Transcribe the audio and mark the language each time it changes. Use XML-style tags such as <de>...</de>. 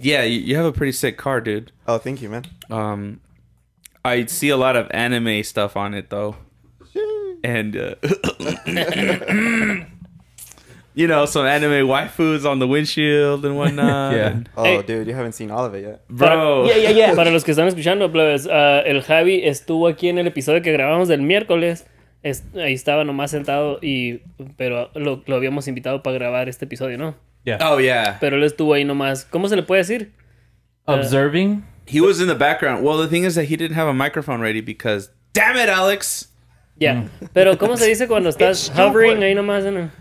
<en>Yeah, you have a pretty sick car, dude. Oh, thank you, man. I see a lot of anime stuff on it, though. And, you know, some anime waifus on the windshield and whatnot. Yeah. Oh, hey. Dude, you haven't seen all of it yet. Bro. Yeah.</en> <es>Para los que están escuchando, Plebes, el Javi estuvo aquí en el episodio que grabamos del miércoles. Ahí estaba nomás sentado, pero lo habíamos invitado para grabar este episodio, ¿no?</es> <en>Yeah. Oh, yeah.</en> <es>Pero él estuvo ahí nomás. ¿Cómo se le puede decir?</es> <en>Observing. He was in the background. Well, the thing is that he didn't have a microphone ready because... Damn it, Alex! Yeah.</en> <es>Pero, ¿cómo se dice cuando estás hovering ahí nomás?</es>